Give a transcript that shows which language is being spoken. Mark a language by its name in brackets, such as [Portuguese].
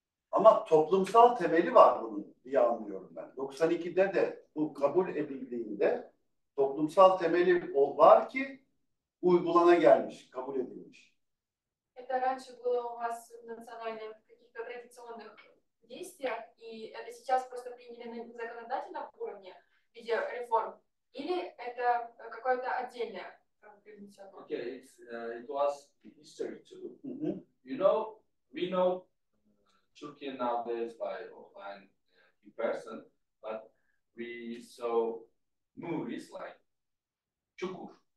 [Turkish] Ama toplumsal temeli var bunun diye anlıyorum ben. 92'de de bu kabul edildiğinde toplumsal temeli var ki uygulana gelmiş, kabul edilmiş. [Russian] Это раньше было у вас в национальных каких-то традиционных действиях, и это сейчас просто приняли на законодательном уровне в виде реформ, или это какое-то отдельное? [English] Okay, it was history too. Mm-hmm. You know, we know Turkey nowadays by offline in person, but we saw movies like Çukur.